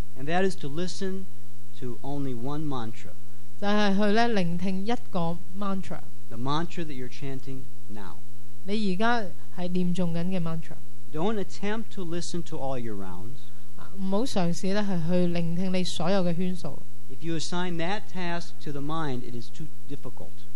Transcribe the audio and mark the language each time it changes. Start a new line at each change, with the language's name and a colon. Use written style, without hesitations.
English: And that is to listen to only one mantra.
Chinese: 就是去聆听一个mantra。
English: The mantra that you're chanting now.
Chinese: 你现在是念诵的mantra。
English: Don't attempt to listen to all your rounds.
Chinese: 不要尝试去聆听你所有的圈数。
English: If you assign that task to the mind, it is too difficult.